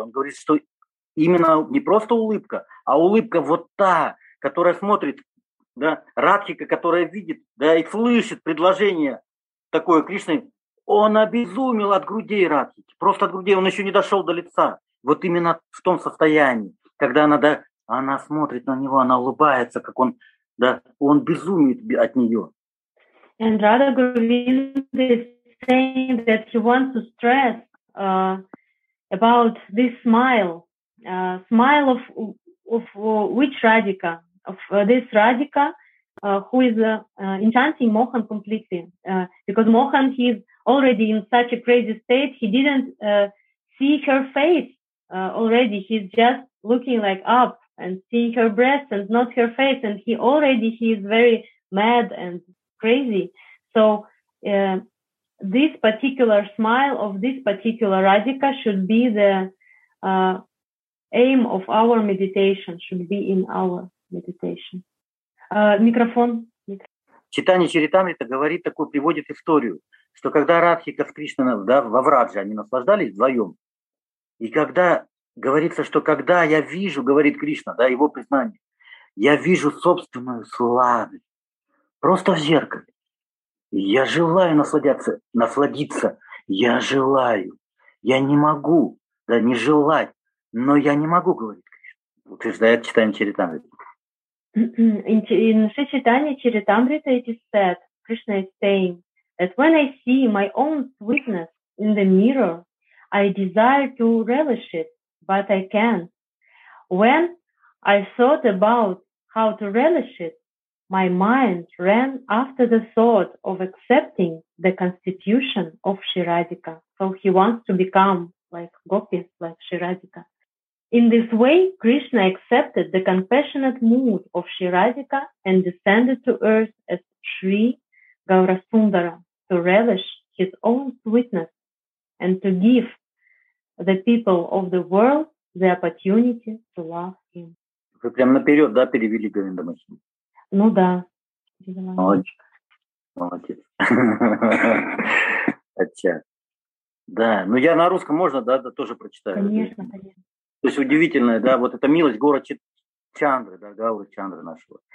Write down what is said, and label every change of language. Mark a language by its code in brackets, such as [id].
[ru] Он говорит, что именно не просто улыбка, а улыбка вот та, которая смотрит, да, Радхика, которая видит, да, и слышит предложение такое Кришны, он обезумел от грудей Радхики, просто от грудей, он еще не дошел до лица. Вот именно в том состоянии, когда она, да, она смотрит на него, она улыбается, как он, да, он безумит от нее. [en] And Radha Govind is saying that he wants to stress about this smile, smile of which Radhika, of this Radhika, who is enchanting Mohan completely, because Mohan, he's already in such a crazy state, he didn't see her face already, he's just looking like up and seeing her breast and not her face, and he is very mad and crazy. So this particular smile of this particular Radhika should be the aim of our meditation, should be in our meditation. [ru] Микрофон. Читание Чаритамрита говорит такую, приводит историю, что когда Радхика с Кришной, да, во Врадже, они наслаждались вдвоем, и когда говорится, что когда я вижу, говорит Кришна, да, его признание, я вижу собственную славу просто в зеркале. Я желаю насладиться, я желаю, я не могу, да, не желать, но я не могу, говорит Кришна, утверждает читание Чаритамрита. [en] In Sri Chaitanya Charitamrita it is said, Krishna is saying, that when I see my own sweetness in the mirror, I desire to relish it, but I can't. When I thought about how to relish it, my mind ran after the thought of accepting the constitution of Sri Radhika. So he wants to become like gopis, like Sri Radhika. In this way, Krishna accepted the compassionate mood of Sri Radhika and descended to earth as Sri Gaurasundara to relish his own sweetness and to give the people of the world the opportunity to love him. [ru] Вы прямо наперед, да, перевели Говинда Махиму? Ну да. Молодец. Молодец. Отча. Да, ну я на русском можно, да, да, тоже прочитаю? Конечно, конечно. То есть удивительная, да, вот эта милость гора Чандры, да, Гауры Чандры нашего.